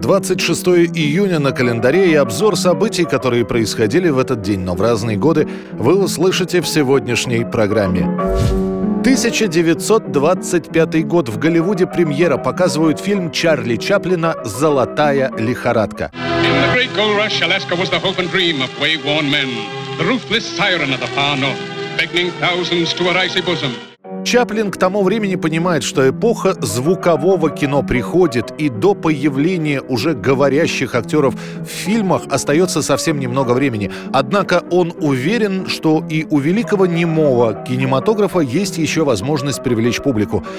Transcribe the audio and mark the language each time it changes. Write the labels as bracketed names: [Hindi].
[Russian] 26 июня на календаре и обзор событий, которые происходили в этот день, но в разные годы, вы услышите в сегодняшней программе. 1925 год. В Голливуде премьера. Показывают фильм Чарли Чаплина «Золотая лихорадка». [English] In the great gold rush, Alaska was the hope and dream of wayworn men. The ruthless siren of the far north, beckoning thousands to her icy bosom. [Russian] Чаплин к тому времени понимает, что эпоха звукового кино приходит, и до появления уже говорящих актеров в фильмах остается совсем немного времени. Однако он уверен, что и у великого немого кинематографа есть еще возможность привлечь публику.